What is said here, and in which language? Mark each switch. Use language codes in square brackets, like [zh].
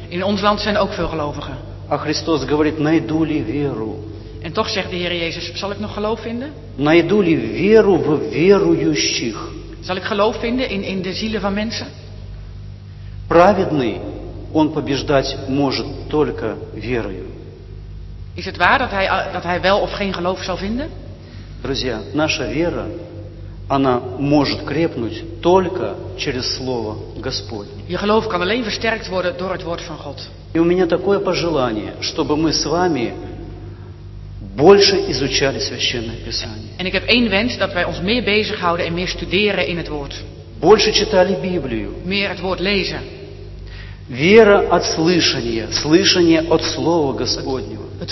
[nl] In ons land zijn ook veel gelovigen. [ru] А Христос говорит, найду ли веру? [nl] En toch zegt de Heer Jezus, zal ik nog geloof vinden? [ru] Найду ли веру в верующих? [nl] Zal ik geloof vinden in de zielen van mensen? [ru] Праведный, он побеждать может только верою. [nl] Is het waar dat hij wel of geen geloof zal vinden? [ru] Друзья, наша вера, она может крепнуть только через Слово Господне. [nl] Je geloof kan alleen versterkt worden door het woord van God. [ru] И у меня такое пожелание, чтобы мы с вами больше изучали Священное Писание. [nl] En ik heb één wens, dat wij ons meer bezighouden en meer studeren in het woord. [ru] Больше читали Библию. [nl] Meer het woord lezen. [ru] Вера от слышания, слышание от Слова Господнего.